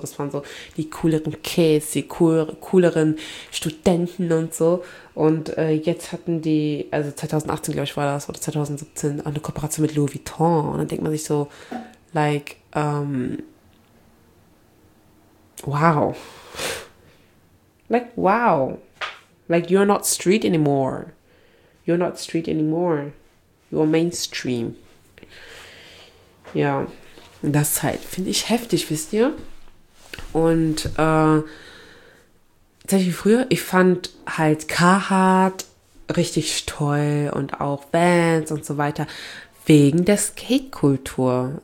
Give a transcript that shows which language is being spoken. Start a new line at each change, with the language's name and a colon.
German: Das waren so die cooleren Kids, die cooleren Studenten und so. Und jetzt hatten die, also 2018, glaube ich, war das, oder 2017, eine Kooperation mit Louis Vuitton. Und dann denkt man sich so,
English: like, wow. Like, wow. Like, you're not street anymore. You're not street anymore. You're mainstream.
German: Ja, das halt finde ich heftig, wisst ihr? Und tatsächlich früher, ich fand halt Carhartt richtig toll und auch Vans und so weiter wegen der Skate-Kultur.